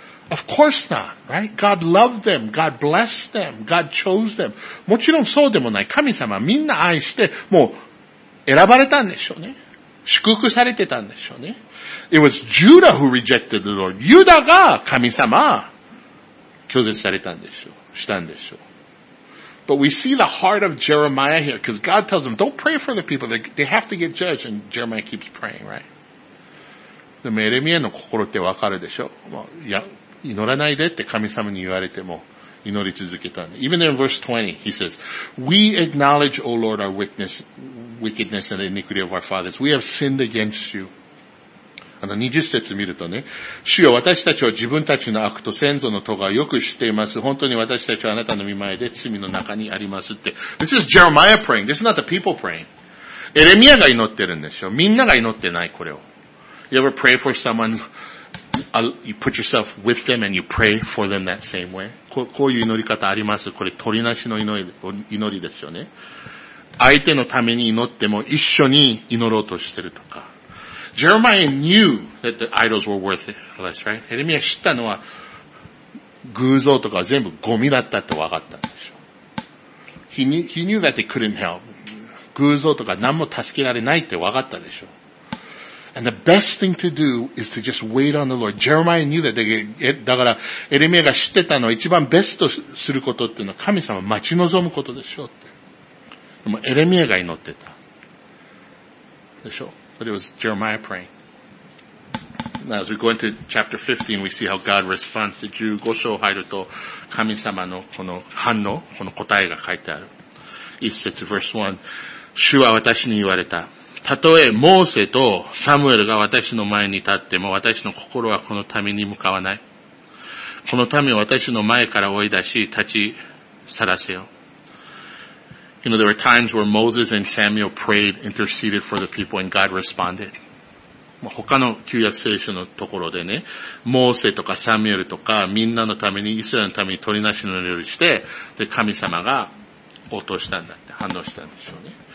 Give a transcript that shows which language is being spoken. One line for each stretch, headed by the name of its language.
English: Of course not, right? God loved them, God blessed them, God chose them.
Japanese: もちろんそうでもない。神様みんな愛して、もう選ばれたんでしょうね。祝福されてたんでしょうね。
English: It was Judah who rejected the Lord.
Japanese: ユダが神様拒絶されたんでしょう。したんでしょう。
English: But we see the heart of Jeremiah here, because God tells him, don't pray for the people, they have to get judged, and Jeremiah keeps praying, right?
Japanese: でもエレミアの心ってわかるでしょ。もういや、祈らないでって神様に言われても祈り続けたんで。
English: Even there in verse 20, he says, We acknowledge, O Lord, our wickedness and the iniquity of our fathers. We have sinned against you.
Japanese: 20節見るとね、主よ、私たちは自分たちの悪と先祖の咎をよく知っています。本当に私たちはあなたの御前で罪の中にありますって。
English: This is Jeremiah praying. This is not the people praying.
Japanese: エレミアが祈ってるんでしょ。みんなが祈ってない、これを。
English: You ever pray for someone, you put yourself with them and you pray for them that same way?
Japanese: こういう祈り方あります。これ、鳥なしの祈りですよね。相手のために祈っても一緒に祈ろうとしてるとか。
English: Jeremiah knew that the idols were worthless, right?
Japanese: エレミア知ったのは、偶像とか全部ゴミだったって分かったんでしょ。
English: He knew that they couldn't help.
Japanese: 偶像とか何も助けられないって分かったでしょ。
English: And the best thing to do is to just wait on the Lord. Jeremiah knew that.
Japanese: だから、エレミアが知ってたのは一番ベストすることっていうのは神様を待ち望むことでしょうって。でもエレミアが祈ってた。でしょ。
English: But it was Jeremiah praying. Now as we go into chapter 15, we see how God responds to
Japanese: 15章入ると神様のこの反応、この答えが書いてある。一節
English: verse 1。
Japanese: 主は私に言われた。たとえモーセとサムエルが私の前に立っても私の心はこの民に向かわない。この民を私の前から追い出し立ち去らせよ。
English: You know, there were times where Moses and Samuel prayed, interceded for the people, and God responded.
Japanese: 他の旧約聖書のところでね、モーセとかサムエルとかみんなのために、イスラエルのために取りなしのようにして、で、神様が応答したんだって、反応したんでしょうね。